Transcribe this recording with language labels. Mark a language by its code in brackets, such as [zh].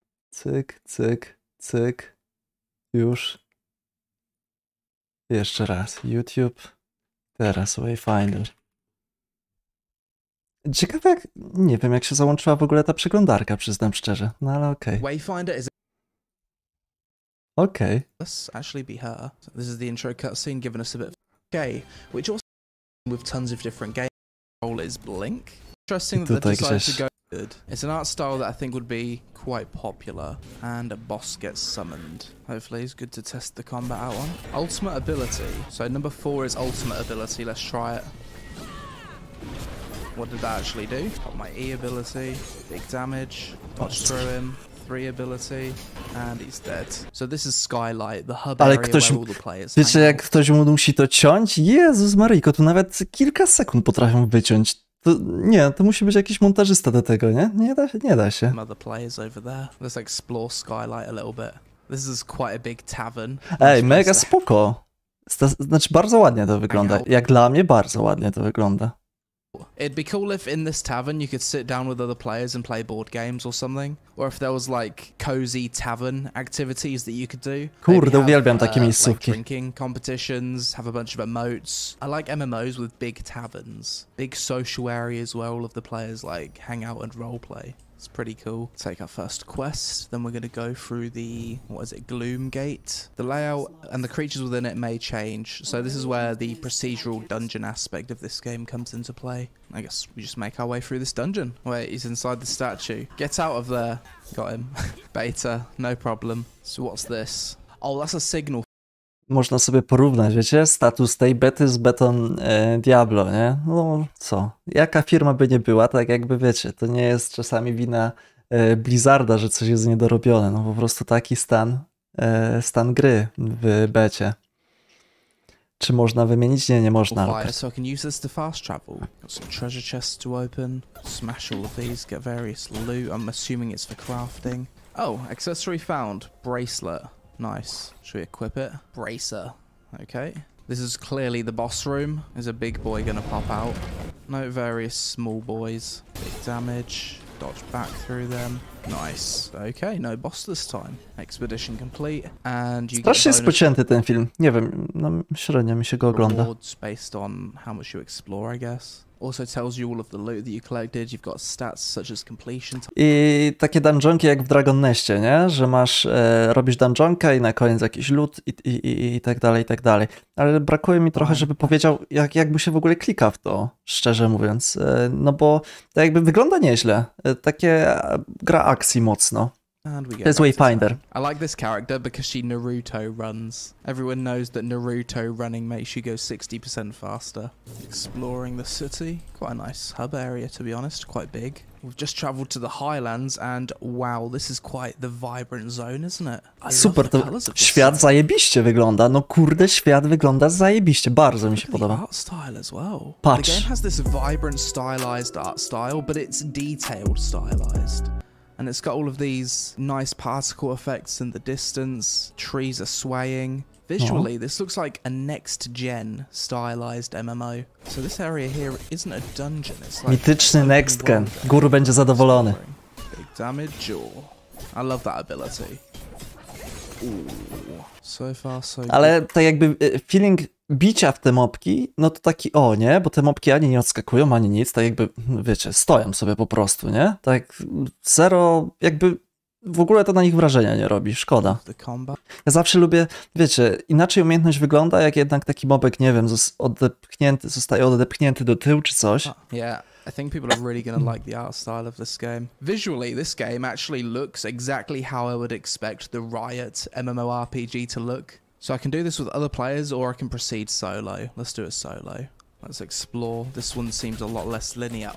[pl] Cyk, cyk, cyk. Już. Jeszcze raz. YouTube. Teraz Wayfinder. Ciekawe, jak... Nie wiem, jak się załączyła w ogóle ta przeglądarka, przyznam szczerze. No ale okej. [en] Okay. Wayfinder is... Okay. Let's actually be her. So this is the intro cutscene giving us a bit of okay, which also with tons of different game role is blink. Interesting that they decided to go good. It's an art style that I think would be quite popular. And a boss gets summoned. Hopefully it's good to test the combat out on. Ultimate ability. So number four is ultimate ability. Let's try it. What did that actually do? Got my E ability. Big damage. Dodge through him. Three ability and he's dead. So this is Skylight, the hub [pl] ale [en] area [pl] ktoś, [en] where all the players. [pl] Wiecie, jak ktoś mu musi to ciąć? Jezus Maryjko, tu nawet kilka sekund potrafią wyciąć. To, nie, to musi być jakiś montażysta do tego, nie? Nie da się. [en] Other players over there. Let's explore Skylight a little bit. This is quite a big tavern. [pl] Ej, mega spoko. Znaczy, bardzo ładnie to wygląda. Jak dla mnie, bardzo ładnie to wygląda. [en] It'd be cool if in this tavern you could sit down with other players and play board games or something. Or if there was like cozy tavern activities that you could do. [pl] Kurde, uwielbiam takie miejscówki. [en] Like drinking competitions, have a bunch of emotes. I like MMOs with big taverns. Big social area as well of the players like hang out and roleplay. It's pretty cool. Take our first quest, then we're gonna go through the, what is it, Gloom Gate. The layout and the creatures within it may change. So this is where the procedural dungeon aspect of this game comes into play. I guess we just make our way through this dungeon. Wait, he's inside the statue. Get out of there. Got him. Beta, no problem. So what's this? Oh, that's a signal. [pl] Można sobie porównać, wiecie, status tej bety z betą Diablo, nie? No co, jaka firma by nie była, tak jakby, wiecie, to nie jest czasami wina Blizzarda, że coś jest niedorobione, no po prostu taki stan, stan gry w becie. Czy można wymienić? Nie, nie można. [en] So I can use this to fast travel. Got some treasure chests to open, smash all of these, get various loot, I'm assuming it's for crafting. Oh, accessory found, bracelet. Nice. Should we equip it? Bracer. Okay. This is clearly the boss room. Is a big boy gonna pop out? No, various small boys. Big damage. Dodge back through them. Nice. Okay, no boss this time. Expedition complete. And you [pl] strasznie [en] get a bonus. [pl] Spocięty ten film. Nie wiem, no średnio mi się go ogląda. [en] Rewards based on how much you explore, I guess. Also tells you all of the loot that you collected, you've got stats such as completion time. [pl] I takie dungeonki jak w Dragon Nestie, nie? Że masz, robisz dungeonka i na koniec jakiś loot i tak dalej. Ale brakuje mi trochę, żeby powiedział, jakby się w ogóle klika w to, szczerze mówiąc. No bo to jakby wygląda nieźle. Takie gra akcji mocno. To jest Wayfinder. [en] I like this character because she Naruto runs. Everyone knows that Naruto running makes you go 60% faster. Exploring the city. Quite a nice hub area, to be honest. Quite big. We've just traveled to the highlands and wow, this is quite the vibrant zone, isn't it? I [pl] super, [en] love the colors of this. [pl] Świat zajebiście wygląda. No kurde, świat wygląda zajebiście. Bardzo [en] look [pl] mi się podoba. [en] The art style as well. [pl] Patrz. [en] The game has this vibrant stylized art style, but it's detailed stylized. And it's got all of these nice particle effects in the distance, trees are swaying. Visually, this looks like a next-gen stylized MMO. So this area here isn't a dungeon, it's like... [pl] Mityczny next-gen. Guru będzie zadowolony. [en] Big damage, or... I love that ability. Ooh. So far, so good. [pl] Ale tak jakby feeling bicia w te mopki, no to taki o, nie? Bo te mopki ani nie odskakują, ani nic, tak jakby, wiecie, stoją sobie po prostu, nie? Tak zero, jakby w ogóle to na nich wrażenia nie robi, szkoda. Ja zawsze lubię, wiecie, inaczej umiejętność wygląda, jak jednak taki mobek, nie wiem, zostaje odepchnięty do tyłu czy coś. [en] Yeah. I think people are really gonna like the art style of this game. Visually, this game actually looks exactly how I would expect the Riot MMORPG to look. So I can do this with other players or I can proceed solo. Let's do a solo. Let's explore. This one seems a lot less linear.